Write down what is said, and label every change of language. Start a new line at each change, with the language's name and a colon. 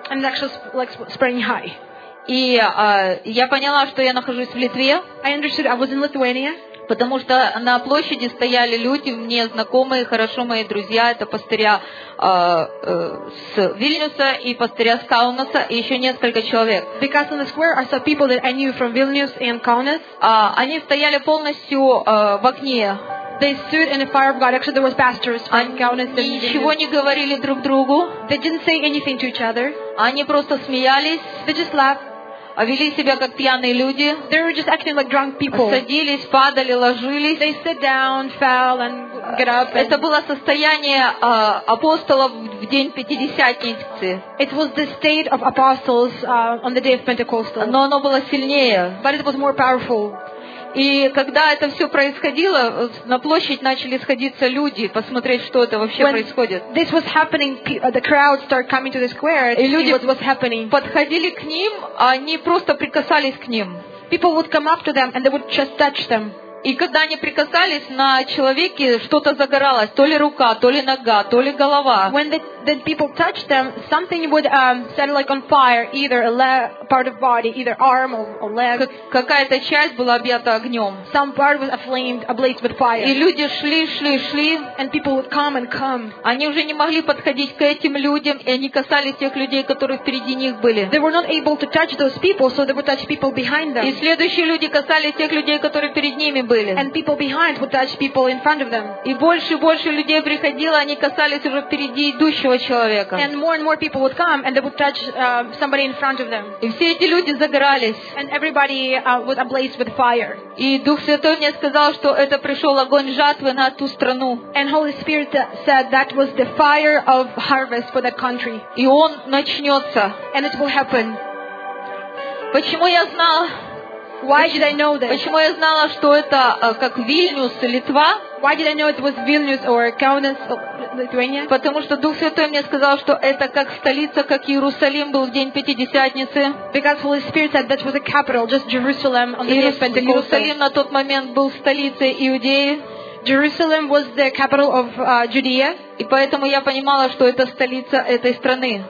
English: And it actually like spreading high.
Russian: И я поняла, что я нахожусь в Литве.
English: I understood I was in Lithuania.
Russian: Потому что на площади стояли люди, мне знакомые, хорошо мои друзья, это пастыря с Вильнюса и пастыря с Каунаса и еще несколько человек.
English: Because on the square I saw people that I knew from Vilnius and Kaunas.
Russian: Они стояли полностью в огне.
English: They stood in the fire of God. Actually, there was pastors from Kaunas.
Russian: Ничего не говорили друг другу.
English: They didn't say anything to each other.
Russian: Они просто смеялись.
English: They just laughed.
Russian: вели себя как пьяные люди.
English: They were just acting like drunk people.
Russian: Садились, падали, ложились.
English: They sit down, fell, and get up. And...
Russian: Это было состояние апостолов в день Пятидесятницы.
English: It was the state of apostles on the day of Pentecost.
Russian: Но оно было сильнее.
English: But it was more powerful.
Russian: И когда это все происходило, на площадь начали сходиться люди, посмотреть, что это вообще происходит.
English: This was happening, the crowd started coming to the square.
Russian: И люди подходили к ним, а они просто прикасались к ним.
English: People would come up to them and they would just touch them.
Russian: И когда они прикасались, на человеке что-то загоралось, то ли рука, то ли нога, то ли голова.
English: When the people touched them, something would set like on fire, either a part of body, either arm or leg.
Russian: Какая-то часть была объята огнем.
English: Some part was aflamed, ablaze with fire.
Russian: И люди шли.
English: And people would come and come.
Russian: Они уже не могли подходить к этим людям, и они касались тех людей, которые впереди них были.
English: They were not able to touch those people, so they would touch people behind them.
Russian: И следующие люди касались тех людей, которые перед ними.
English: And people behind would touch people in front of them.
Russian: И больше людей приходило, они касались уже впереди идущего человека.
English: And more people would come and they would touch somebody in front of them.
Russian: И все эти люди загорались.
English: And everybody would ablaze with fire.
Russian: И Дух Святой мне сказал, что это пришел огонь жатвы на ту страну.
English: And Holy Spirit said that was the fire of harvest for that country.
Russian: И он начнется.
English: And it will happen.
Russian: Почему я знала?
English: Why did I know that?
Russian: Почему я знала, что это как Вильнюс, Литва?
English: Why did I know it was Vilnius or Kaunas, Lithuania?
Russian: Потому что Дух Святой мне сказал, что это как столица, как Иерусалим был в день Пятидесятницы.
English: Because Holy Spirit said that was a capital, just Jerusalem on the day of Pentecost.
Russian: Иерусалим на тот момент был столицей Иудеи.
English: Jerusalem was the capital of Judea.
Russian: И поэтому я понимала, что это столица этой страны.